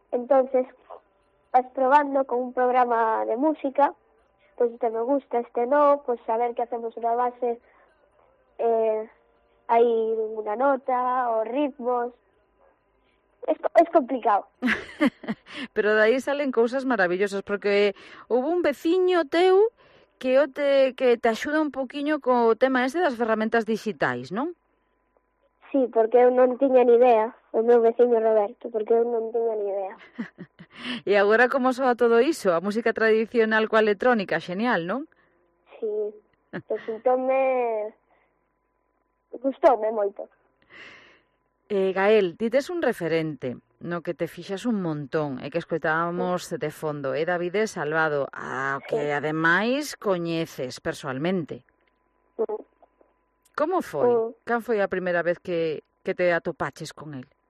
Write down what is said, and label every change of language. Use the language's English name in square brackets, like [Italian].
[Spanish] Entonces, vas probando con un programa de música, pues este me gusta, este no, pues saber que hacemos una base, hay una nota o ritmos, es complicado. Pero de ahí salen cosas maravillosas, porque hubo un [Galician] veciño teu [Spanish] que te ayuda un poquillo con el tema ese de las herramientas digitais, ¿no? [Galician] Sí, porque eu non tiña ni idea, o meu veciño Roberto, porque eu non tiña ni idea. E agora como soa todo iso? A música tradicional coa electrónica, xenial, non? Sí, resultoume... gustoume moito. Gael, ti tes un referente no que te fixas un montón e que escoitábamos sí. De fondo, é David Salvado, que sí. Ademais coñeces persoalmente. Sí. Como foi? Can foi a primeira vez que te atopaches [Spanish] con él?